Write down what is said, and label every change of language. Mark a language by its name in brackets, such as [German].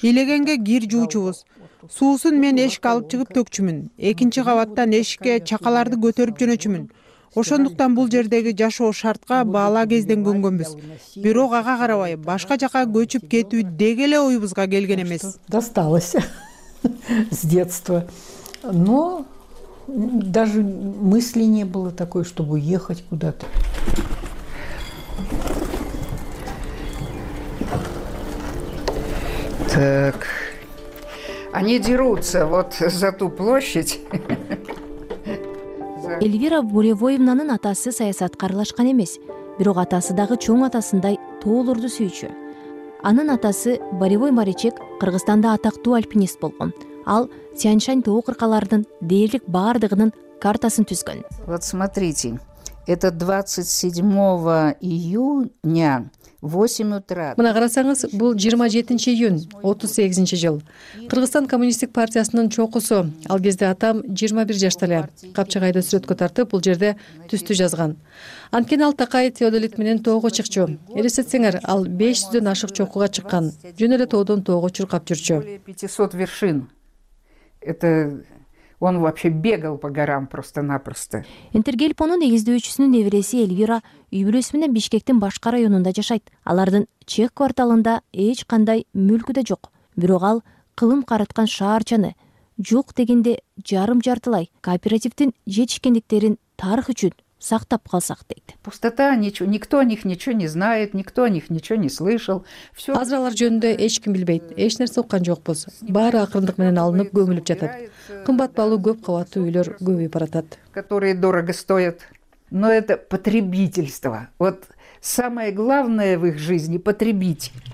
[Kyrgyz] Илегенге кир жуучубуз. Суусун мен эшик алып чыгып төкчүмүн. Экинчи кабаттан эшикке чакаларды көтөрүп жөнөчүмүн. Ошондуктан бул жердеги жашоо шартка баала кезден көнгөнбүз. Бирок ага карабай башка жака көчүп кетүү деги эле оюбузга келген эмес. [Russian] Досталось с детства. Но даже мысли не было такой, чтобы уехать куда-то. Так. Они дерутся вот за ту площадь. [Kyrgyz] Эльвира Буревоевнанын атасы саясатка аралашкан эмес, бирок атасы дагы чоң атасындай тоолорду сүйүүчү. Анын атасы Буревой Маричек Кыргызстанда атактуу альпинист болгон. Ал Тянь-Шань тоо кыркаларынын дээрлик бардыгынын картасын түзгөн. [Russian] Вот смотрите. Это 27 июня. 8 утра. [Kyrgyz] Мына карасаңыз, бул 27 июнь 38 жыл. Кыргызстан коммунисттик партиясынын чокусу. Ал кезде атам 21 жашта эле. Капчыгайды сүрөткө тартып, бул жерде түстү жазган. Анткени ал Такай Теодолит менен тоого чыкчу. Элестетсеңер, ал 500 ашык чокуга чыккан. Жөн эле тоодон тоого чуркап жүрчү. [Russian] 500 вершин. Это он вообще бегал по горам просто-напросто. [Kyrgyz] Энтергелпонун негиздөөчүсүнүн небереси Эльвира үй бүлөсү менен Бишкектин башка районунда жашайт. Алардын чек кварталында эч кандай мүлкү да жок. Бирок ал кылым караткан шаарчаны жок дегенде жарым-жартылай кооперативдин жетишкендиктерин тарых үчүн сактап калсак дейт. [Russian] Пустота, ничего, никто о них ничего не знает, никто о них ничего не слышал. Все. [Kyrgyz] Азыр алар жөнүндө эч ким билбейт. Эч нерсе уккан жокпуз. Баары акырындык менен алынып көмүлүп жатат. Кымбат баалуу көп кабаттуу үйлөр көбөйүп баратат. [Russian] Которые дорого стоят. Но это потребительство. Вот самое главное в их жизни потребить.